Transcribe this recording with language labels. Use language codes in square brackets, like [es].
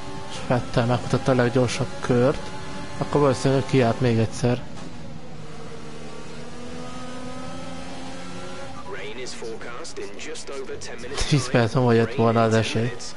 [hu] És Vettel megmutatta a leggyorsabb kört, akkor valószínűleg kiállt még egyszer. [en] Rain is forecast in just over 10 minutes. [hu] 10 perc múlva jött volna az esély.